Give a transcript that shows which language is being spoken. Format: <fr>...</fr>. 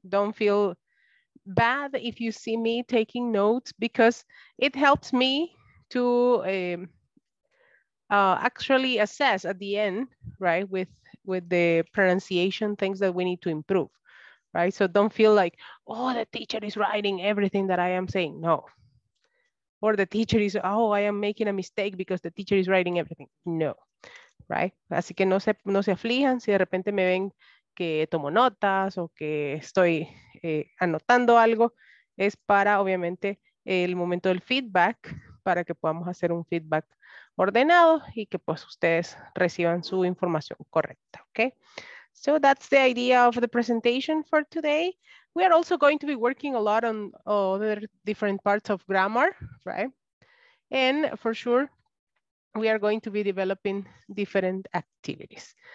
<en>Don't feel bad if you see me taking notes because it helps me to actually assess at the end, right, with the pronunciation, things that we need to improve, right? So don't feel like, oh, the teacher is writing everything that I am saying, no. Or the teacher is, oh, I am making a mistake because the teacher is writing everything, no, right?</en> <es>Así que no se aflijan si de repente me ven que tomo notas o que estoy anotando algo, es para obviamente el momento del feedback, para que podamos hacer un feedback ordenado y que pues ustedes reciban su información correcta, okay?</es> <en>So that's the idea of the presentation for today. We are also going to be working a lot on other different parts of grammar, right? And for sure, we are going to be developing different activities.</en>